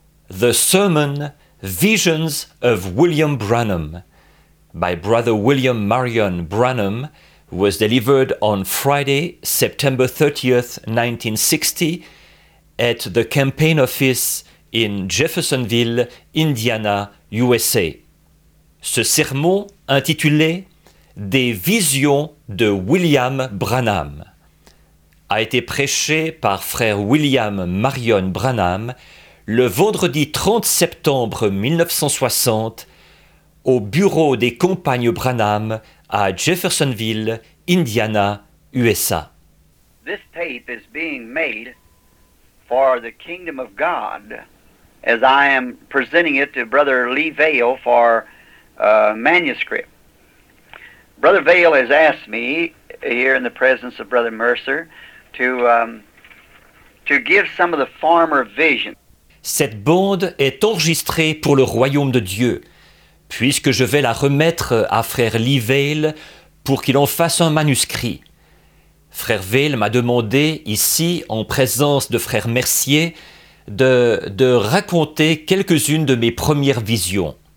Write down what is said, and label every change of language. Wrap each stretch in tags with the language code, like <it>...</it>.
<en>The Sermon, Visions of William Branham, by Brother William Marion Branham, was delivered on Friday, September 30th, 1960, at the campaign office in Jeffersonville, Indiana, USA.</en> <fr>Ce sermon intitulé « Des visions de William Branham » a été prêché par frère William Marion Branham le vendredi 30 septembre 1960 au bureau des compagnes Branham à Jeffersonville, Indiana, USA.</fr> <en>This tape is being made for the kingdom of God as I am presenting it to Brother Lee Vail for manuscript. Brother Vail has asked me here in the presence of Brother Mercer to give some of the former vision.</en> <fr>Cette bande est enregistrée pour le royaume de Dieu, puisque je vais la remettre à frère Lee Vail pour qu'il en fasse un manuscrit. Frère Vail m'a demandé ici, en présence de frère Mercier, de raconter quelques-unes de mes premières visions.</fr>